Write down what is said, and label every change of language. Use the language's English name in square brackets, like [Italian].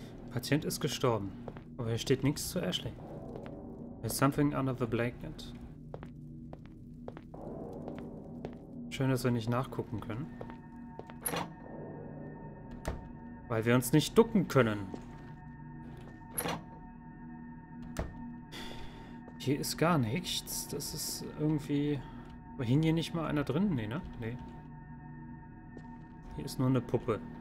[German] Patient ist gestorben. Aber hier steht nichts zu Ashley. [English] There's something under the blanket. [German] Schön, dass wir nicht nachgucken können. Weil wir uns nicht ducken können. Hier ist gar nichts. Das ist irgendwie... Hing hier nicht mal einer drin? Nee, ne? Nee. Hier ist nur eine Puppe.